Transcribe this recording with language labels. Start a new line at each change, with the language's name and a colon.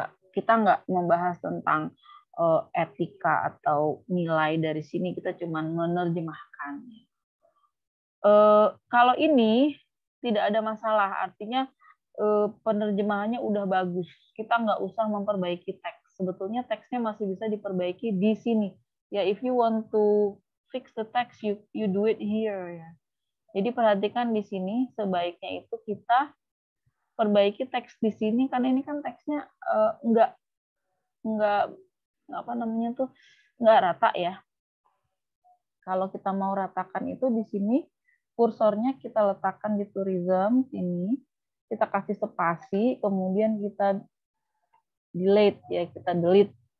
Indonesian: Kita nggak membahas tentang etika atau nilai dari sini, kita cuman menerjemahkannya. Kalau ini tidak ada masalah, artinya penerjemahannya udah bagus. Kita nggak usah memperbaiki teks. Sebetulnya teksnya masih bisa diperbaiki di sini.
English: Ya, if you want to fix the text, you do it here.
Indonesian: Ya. Jadi perhatikan di sini, sebaiknya itu kita perbaiki teks di sini, karena ini kan teksnya nggak rata ya. Kalau kita mau ratakan itu di sini, kursornya kita letakkan di tourism sini, kita kasih spasi, kemudian kita delete ya, kita delete.